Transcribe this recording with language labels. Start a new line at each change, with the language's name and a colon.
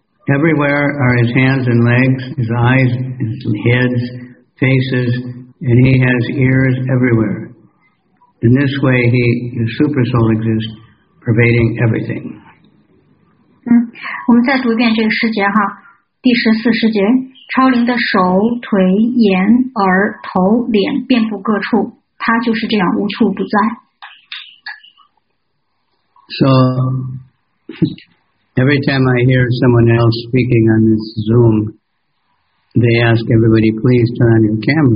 English: Everywhere are his hands and legs, his eyes, his heads, faces, and he has ears everywhere. In this way, the super soul exists, pervading everything.
Chinese: 我们再读一遍这个诗节哈，第十四诗节，超灵的手、腿、眼、耳、头、脸遍布各处，他就是这样无处不在。
English: So, every time I hear someone else speaking on this Zoom, they ask everybody, please turn on your camera.